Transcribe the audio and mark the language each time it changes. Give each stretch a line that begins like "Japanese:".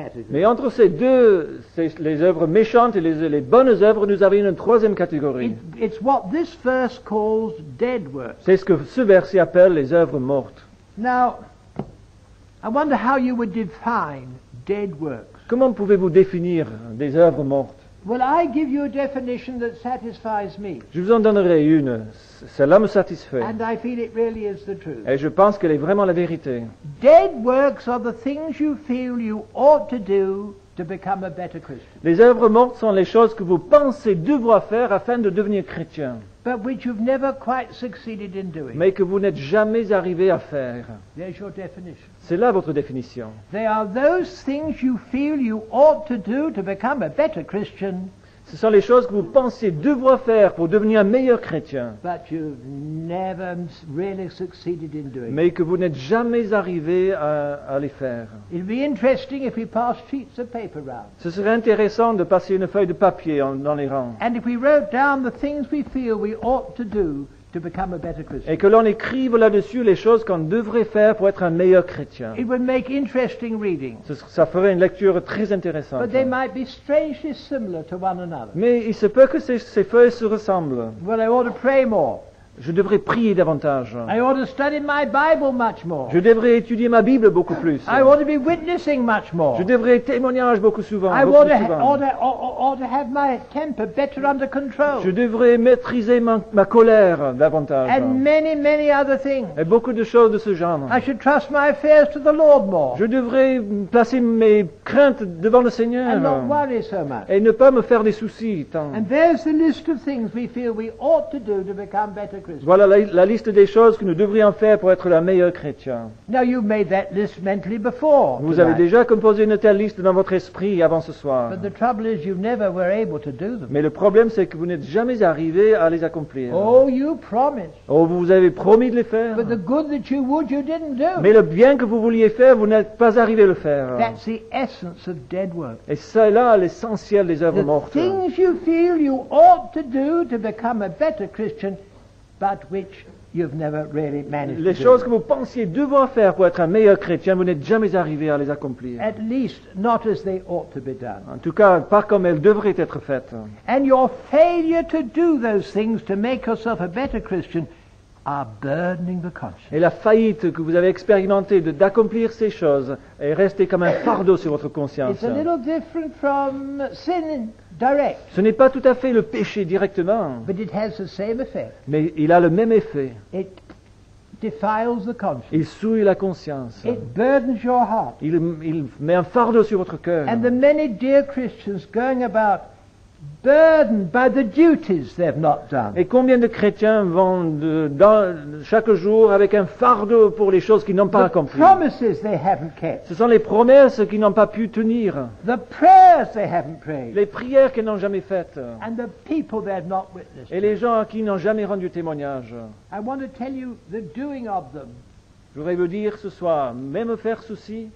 French: Mais entre ces deux, les œuvres méchantes et les bonnes œuvres, nous avons une troisième catégorie.
English: It's what this verse calls dead works.
French: C'est ce que ce verset appelle les œuvres mortes.
English: Now, I wonder how you would define dead works.
French: Comment pouvez-vous définir des œuvres mortes?
English: Well, I give you a definition that satisfies me.
French: Je vous en donnerai une. Cela me satisfait.
English: And I feel it really is the truth.
French: Et je pense qu'elle est vraiment la vérité.
English: Dead works are the things you feel you ought to do to become a better Christian.
French: Les œuvres mortes sont les choses que vous pensez devoir faire afin de devenir chrétien.
English: But which you've never quite succeeded in doing.
French: Mais que vous n'êtes jamais arrivé à faire.
English: There's your definition.
French: C'est là votre définition.
English: They are those things you feel you ought to do to become a better Christian.
French: Ce sont les choses que vous pensez devoir faire pour devenir un meilleur chrétien.
English: But you've never really succeeded in doing.
French: Mais que vous n'êtes jamais arrivé à les faire.
English: It'd be interesting if we passed sheets of paper round.
French: Ce serait intéressant de passer une feuille de papier dans les rangs.
English: And if we wrote down the things we feel we ought to do to become a better Christian.
French: Et que l'on écrive là-dessus les choses qu'on devrait faire pour être un meilleur chrétien.
English: It would make interesting reading.
French: Ça ferait une lecture très intéressante.
English: But they might be strangely similar to one another.
French: Mais il se peut que ces feuilles se ressemblent.
English: Well, I ought to pray more.
French: Je devrais prier davantage.
English: I ought to study my Bible much more.
French: Je devrais étudier ma Bible beaucoup plus.
English: I ought to be witnessing much more.
French: Je devrais témoigner beaucoup souvent.
English: I ought to have my temper better under control.
French: Je devrais maîtriser ma colère davantage.
English: And many, many other things.
French: Et beaucoup de choses de ce genre.
English: I should trust my affairs to the Lord more.
French: Je devrais placer mes craintes devant le Seigneur.
English: And not worry so much.
French: Et ne pas me faire des soucis tant.
English: And there's the list of things we feel we ought to do to become better.
French: Voilà la liste des choses que nous devrions faire pour être le meilleur chrétien.
English: Now you've made that list mentally before.
French: Vous avez déjà composé une telle liste dans votre esprit avant ce soir.
English: But the trouble is you never were able to do them.
French: Mais le problème c'est que vous n'êtes jamais arrivé à les accomplir.
English: Oh, you promised.
French: Oh, vous avez promis de les faire.
English: But the good that you would, you didn't do.
French: Mais le bien que vous vouliez faire, vous n'êtes pas arrivé à le faire.
English: That's the essence of dead work.
French: Et c'est là l'essentiel des œuvres mortes.
English: The things you feel you ought to do to become a better Christian. But which you've never really managed.
French: Les choses que vous pensiez devoir faire pour être un meilleur chrétien, vous n'êtes jamais arrivé à les accomplir.
English: At least not as they ought to be done.
French: En tout cas, pas comme elles devraient être faites.
English: And your failure to do those things to make yourself a better Christian are burdening the conscience.
French: Et la faillite que vous avez expérimentée d'accomplir ces choses est restée comme un fardeau sur votre conscience.
English: It's a little different from sin. direct.
French: Ce n'est pas tout à fait le péché directement.
English: But it has the same effect.
French: Mais il a le même effet.
English: It defiles the conscience.
French: Il souille la conscience.
English: It burdens your heart.
French: Il met un fardeau sur votre cœur.
English: And the many dear Christians going about burdened by the duties they've not done.
French: Et combien de chrétiens vont chaque jour avec un fardeau pour les choses qu'ils n'ont pas accomplies.
English: The promises they haven't kept.
French: Ce sont les promesses qu'ils n'ont pas pu tenir.
English: The prayers they haven't prayed.
French: Les prières qu'ils n'ont jamais faites.
English: And the people they have not witnessed.
French: Et les gens à qui ils n'ont jamais rendu témoignage.
English: I want to tell you the doing of them.
French: Je voudrais vous dire ce soir, même faire ceci